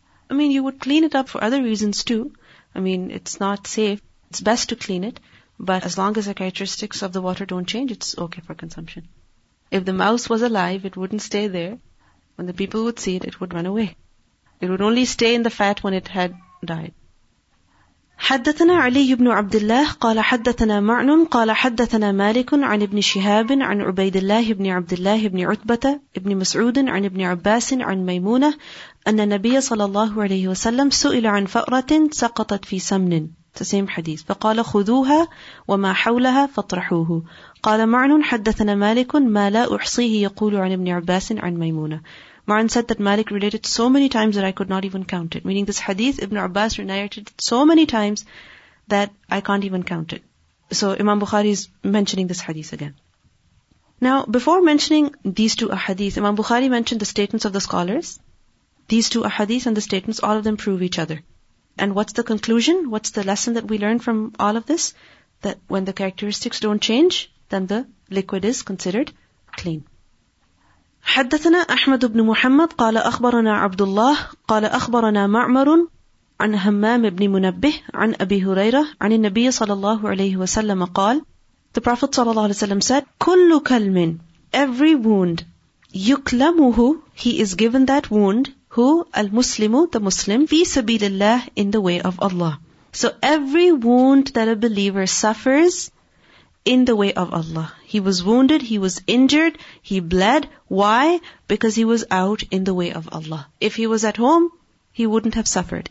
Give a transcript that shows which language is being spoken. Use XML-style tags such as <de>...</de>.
<en>I mean, you would clean it up for other reasons too. I mean, it's not safe. It's best to clean it, but as long as the characteristics of the water don't change, it's okay for consumption. If the mouse was alive, it wouldn't stay there. When the people would see it, it would run away. It would only stay in the fat when it had died.</en> <ar>حدثنا علي بن عبد الله قال حدثنا معن قال حدثنا مالك عن ابن شهاب عن عبيد الله بن عبد الله بن عتبة ابن مسعود عن ابن عباس عن ميمونة أن النبي صلى الله عليه وسلم سئل عن فأرة سقطت في سمن.</ar> <en>The same hadith.</en> <ar>فقال خذوها وما حولها فاطرحوه. قال معن حدثنا مالك ما لا أحصيه يقول عن ابن عباس عن ميمونة.</ar> <en>معن said that Malik related so many times that I could not even count it. Meaning this hadith, Ibn Abbas narrated it so many times that I can't even count it. So Imam Bukhari is mentioning this hadith again. Now, before mentioning these two ahadith, Imam Bukhari mentioned the statements of the scholars. These two ahadith and the statements, all of them prove each other. And what's the conclusion? What's the lesson that we learn from all of this? That when the characteristics don't change, then the liquid is considered clean.</en> <ar>حدثنا أحمد بن محمد قال أخبرنا عبد الله قال أخبرنا معمر عن همام بن منبه عن أبي هريرة عن النبي صلى الله عليه وسلم قال</ar> <en>The Prophet</en> <ar>صلى الله عليه وسلم</ar> <en>said</en> <ar>كل كلم</ar> <en>Every wound</en> <ar>يكلمه</ar> <en>He is given that wound Who?</en> <ar>المسلم</ar> <en>The Muslim</en> <ar>في سبيل الله</ar> <en>In the way of Allah So every wound that a believer suffers In the way of Allah. He was wounded, he was injured, he bled. Why? Because he was out in the way of Allah. If he was at home, he wouldn't have suffered.</en>